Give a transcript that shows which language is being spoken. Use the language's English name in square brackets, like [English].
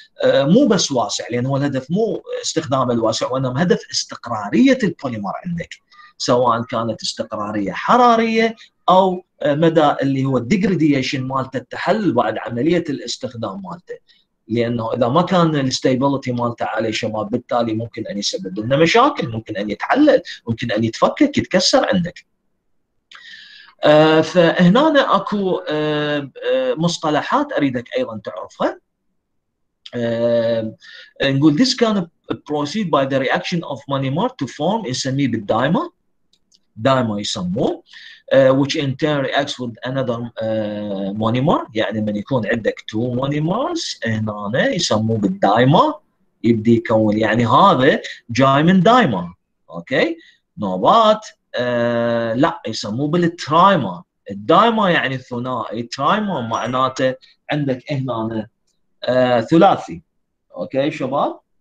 [Arabic] مو بس واسع لان هو الهدف مو استخدام الواسع وانما هدف استقراريه البوليمر عندك, سواء كانت استقراريه حراريه او مدى اللي هو الديجريديشن مالته التحلل بعد عمليه الاستخدام مالته, لانه اذا ما كان الاستابيليتي مالته عالي شباب بالتالي ممكن ان يسبب لنا مشاكل, ممكن ان يتحلل, ممكن ان يتفكك يتكسر عندك. فهنا اكو مصطلحات اريدك ايضا تعرفها. [English] نقول this can proceed by the reaction of monomer to form [Arabic] نسميه بالدايما, دايما يسموه, [English] which in turn reacts with another monomer. [Arabic] يعني من يكون عندك two monomers هنا يسموه بالدايما يبدي يكون, يعني هذا جاي من دايما اوكي نوبات لا يسموه بالترايما. الدايما يعني ثنائي, ترايما معناته عندك هنا ثلاثي اوكي شباب.